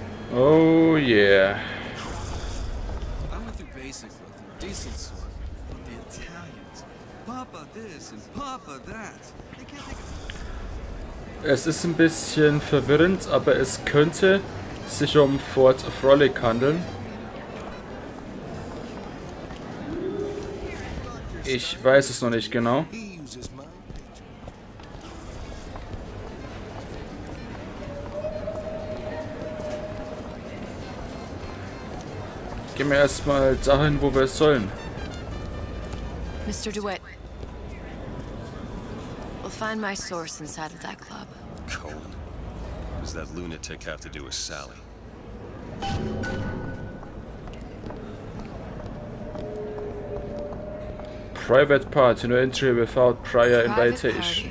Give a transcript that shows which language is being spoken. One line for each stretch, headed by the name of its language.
English: Oh, yeah. I went through basic with a decent sort, but the Italians, Papa this and Papa that, they can't take a...
German: Es ist ein bisschen verwirrend, aber es könnte sich um Fort Frolic handeln. Ich weiß es noch nicht genau. Gehen wir erstmal dahin, wo wir es sollen.
English: Mr. DeWitt. We'll find my source inside of that club. Cohen. What does that lunatic have to do with Sally? Private party, no entry without prior invitation.